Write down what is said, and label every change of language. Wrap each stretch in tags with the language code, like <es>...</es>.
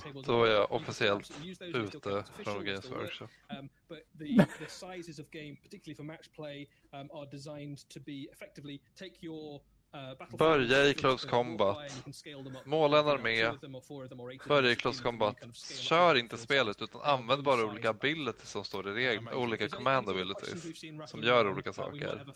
<en>the tables,</en> <sv>då är officiellt ute från Games Workshop.</sv> <en>But the sizes of game, particularly for match play, are designed to be effectively take your</en> <sv>börja i close combat, måla en armé, börja i close combat, kör inte spelet utan använd bara olika abilities som står i regeln, olika command abilities som gör olika saker.</sv>